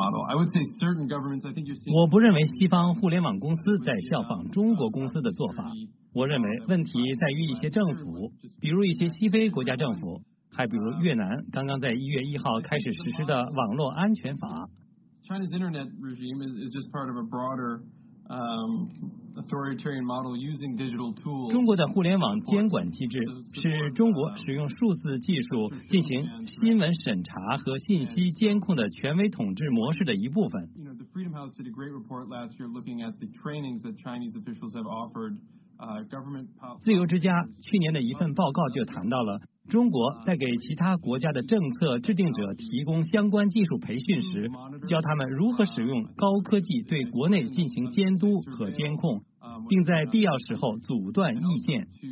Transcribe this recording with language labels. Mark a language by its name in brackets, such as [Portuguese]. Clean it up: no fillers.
[Chinese] 我不认为西方互联网公司在效仿中国公司的做法。我认为问题在于一些政府，比如一些西非国家政府，还比如越南刚刚在1月1号开始实施的网络安全法。 [English] China's internet regime is just part of a broader authoritarian model using digital tools. [Chinese] 中国的互联网监管机制是中国使用数字技术进行新闻审查和信息监控的权威统治模式的一部分。 [English] The Freedom House did a great report last year looking at the trainings that Chinese officials have offered government. [Chinese] 自由之家去年的一份报告就谈到了中国在给其他国家的政策制定者提供相关技术培训时，教他们如何使用高科技对国内进行监督和监控，并在必要时候阻断意见。